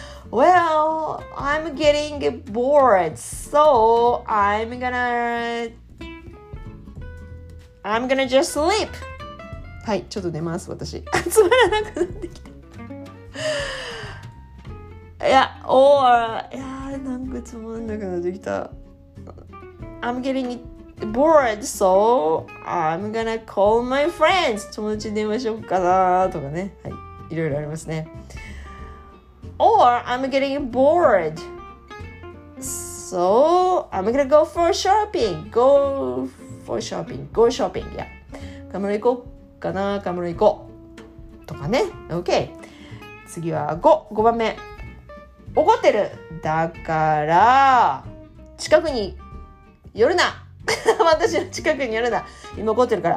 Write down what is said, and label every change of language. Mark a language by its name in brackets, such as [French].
[English] Well, I'm getting bored, so I'm gonna just sleep. [Japanese] はい、ちょっと寝ます私。つまらなくなってきた。いや、なんかつまらなくなってきた。 [English] I'm getting bored, so I'm gonna call my friends. [Japanese] 友達に電話しようかなとかね。はい、いろいろありますね。 [English] Or I'm getting bored, so I'm gonna go for shopping. Go shopping, yeah. [Japanese] カムロ行こうかな、カムロ行こうとかね。 OK、 次は5番目、怒ってる、だから近くに寄るな私の近くに寄るな、今怒ってるから。